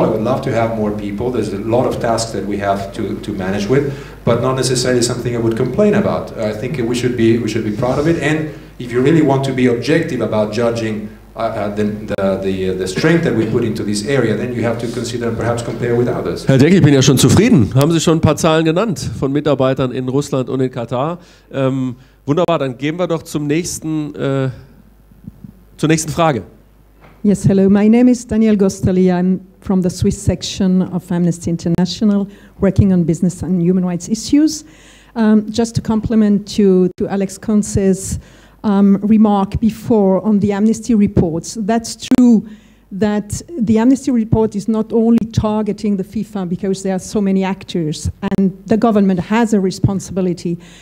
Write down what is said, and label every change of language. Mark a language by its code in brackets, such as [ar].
[en] I would love to have more people. There's a lot of tasks that we have to manage with, but not necessarily something I would complain about. I think we should be proud of it. And if you really want to be objective about judging the strength that we put into this area, then you have to consider and perhaps compare with others. [de] Herr Deck, ich bin ja schon zufrieden. Haben Sie schon ein paar Zahlen genannt von Mitarbeitern in Russland und in Katar? Wunderbar, dann gehen wir doch zur nächsten Frage. [en] Yes, hello. My name is Daniel Gostoli. I'm from the Swiss section of Amnesty International, working on business and human rights issues. Just to compliment to Alex Kunze's remark before on the Amnesty reports. That's true that the Amnesty report is not only targeting the FIFA because there are so many actors and the government has a responsibility.